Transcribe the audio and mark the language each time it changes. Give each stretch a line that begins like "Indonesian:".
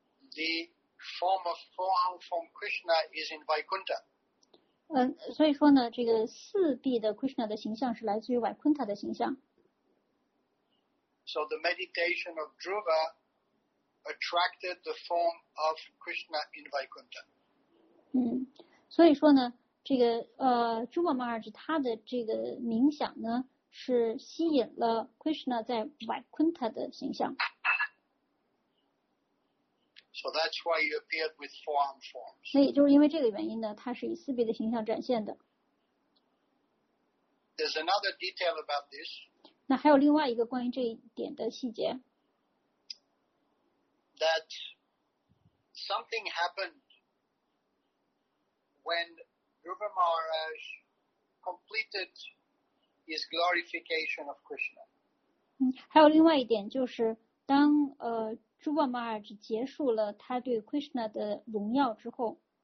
English: The form of form from Krishna is in Vaikuntha.
Chinese: 所以说呢，这个四臂的 Krishna 的形象是来自于瓦昆塔的形象。
English: So the meditation of Dhruva attracted the form of Krishna in Vaikuntha.
Chinese: 所以说呢，这个朱瓦玛哈什他的这个冥想呢，是吸引了 Krishna 在瓦昆塔的形象。
English: So that's why he appeared with four arm forms.
Chinese: 那也就是因为这个原因呢，他是以四臂的形象展现的。
English: There's another detail about this.
Chinese: 那还有另外一个关于这一点的细节。
English: That something happened when Dhruva Maharaj completed his glorification of Krishna.
Chinese: 还有另外一点就是当朱瓦玛哈什结束了他对 Krishna 的荣耀之后